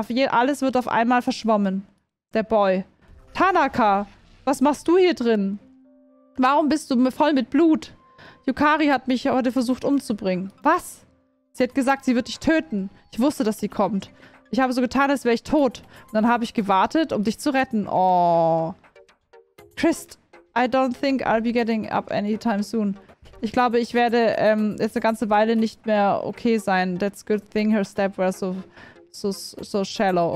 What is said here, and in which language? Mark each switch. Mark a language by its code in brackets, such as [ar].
[de] Alles wird auf einmal verschwommen. Der Boy. Tanaka, was machst du hier drin? Warum bist du voll mit Blut? Yukari hat mich heute versucht umzubringen. Was? Sie hat gesagt, sie wird dich töten. Ich wusste, dass sie kommt. Ich habe so getan, als wäre ich tot. Und dann habe ich gewartet, um dich zu retten. Oh. [en] Christ, I don't think I'll be getting up anytime soon. [de] Ich glaube, ich werde jetzt eine ganze Weile nicht mehr okay sein. [en] That's a good thing her step was so shallow.